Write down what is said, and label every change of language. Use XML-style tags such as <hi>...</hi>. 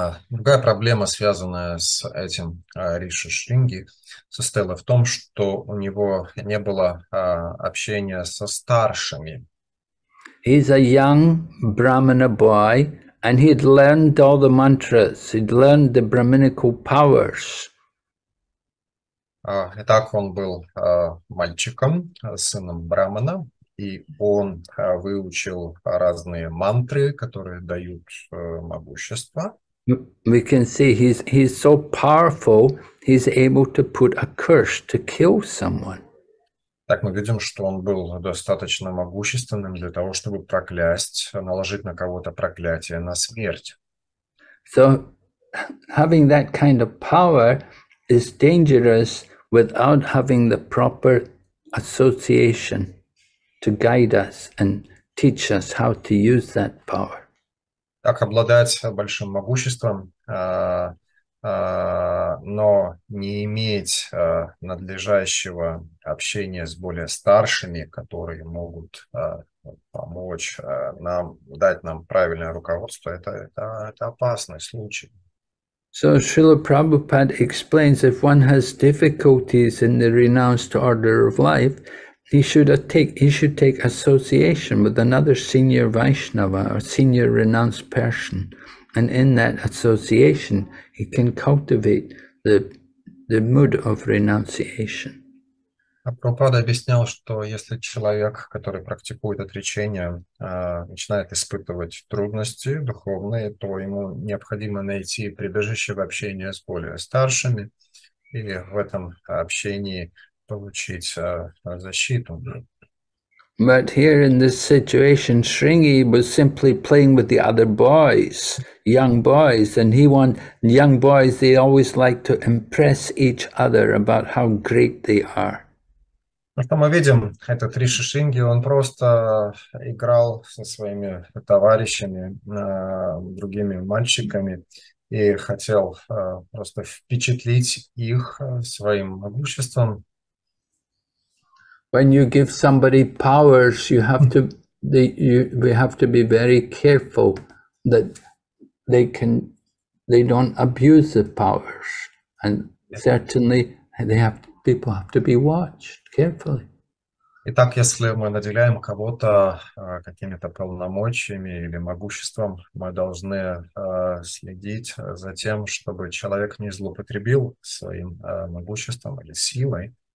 <ru>Другая проблема, связанная с этим Риши Шринги, состояла в том, что у него не было общения со старшими.</ru> <en>He's a young brahmana boy, and he'd learned all the mantras, he'd learned the brahminical powers.</en> <ru>Итак, он был мальчиком, сыном брахмана. И он выучил разные мантры, которые дают могущество.</ru> <en>We can see he's so powerful, he's able to put a curse to kill someone.</en> <ru>Так мы видим, что он был достаточно могущественным для того, чтобы проклясть, наложить на кого-то проклятие, на смерть.</ru> <en>So, having that kind of power is dangerous without having the proper association to guide us and teach us how to use that power.</en> <ru>Так обладать большим могуществом, но не иметь надлежащего общения с более старшими, которые могут помочь нам, дать нам правильное руководство, это опасный случай.</ru> <en>So Srila Prabhupada explains, if one has difficulties in the renounced order of life, he should take association with another senior Vaishnava or senior renounced person. And in that association, he can cultivate the mood of renunciation.</en> <ru>Прабхупада объяснял, что если человек, который практикует отречение, начинает испытывать трудности духовные, то ему необходимо найти прибежище в общении с более старшими и в этом общении получить защиту.</ru> <en>But here in this situation, Sringi was simply playing with the other boys, young boys, and young boys, they always like to impress each other about how great they are.</en> <ru>Ну что мы видим, этот Риши Шринги, он просто играл со своими товарищами, другими мальчиками, и хотел просто впечатлить их своим могуществом.</ru> <en>When you give somebody powers, we have to be very careful that they don't abuse the powers, and certainly people have to be watched carefully.</en> <ru>Итак, если мы наделяем кого-то какими-то полномочиями или могуществом, мы должны следить за тем, чтобы человек не злоупотребил своим могуществом или силой.</ru>